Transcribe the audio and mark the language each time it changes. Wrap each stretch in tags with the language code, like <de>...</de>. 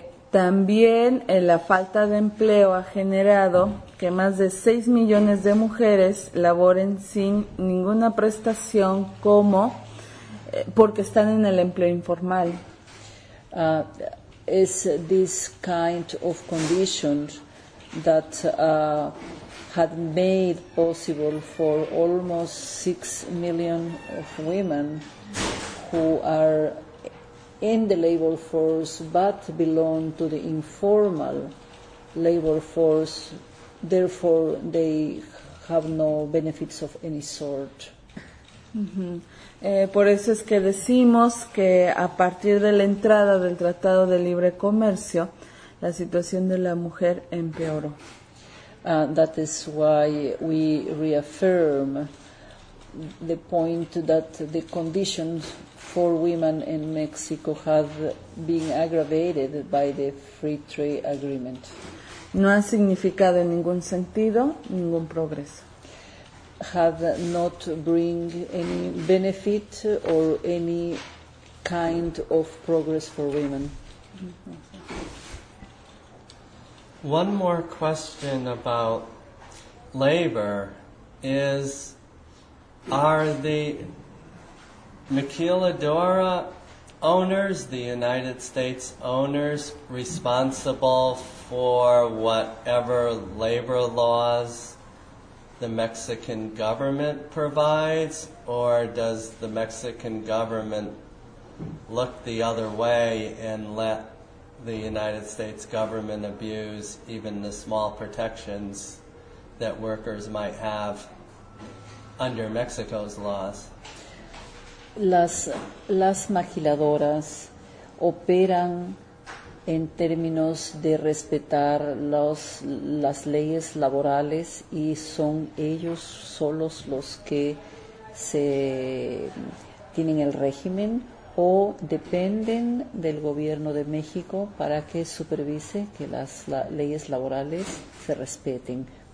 <es>También la falta de empleo ha generado que más de 6 millones de mujeres laboren sin ninguna prestación como porque están en el empleo informal.</es> <en>Is this kind of conditions that had made possible for almost 6 million of women who are in the labor force but belong to the informal labor force, therefore they have no benefits of any sort.</en> <es>Por eso es que decimos que a partir de la entrada del Tratado de Libre Comercio, la situación de la mujer empeoró.</es> <en>That is why we reaffirm the point that the conditions for women in Mexico have been aggravated by the free trade agreement.</en> <es>No ha significado en ningún sentido ningún progreso.</es> <en>Have not bring any benefit or any kind of progress for women. One more question about labor is, are the maquiladora owners, the United States owners, responsible for whatever labor laws the Mexican government provides, or does the Mexican government look the other way and let the United States government abuse even the small protections that workers might have under Mexico's laws?</en> <es>Las maquiladoras operan en términos de respetar las leyes laborales y son ellos solos los que se tienen el régimen, o dependen del gobierno de México para que supervise que las leyes laborales se respeten.</es>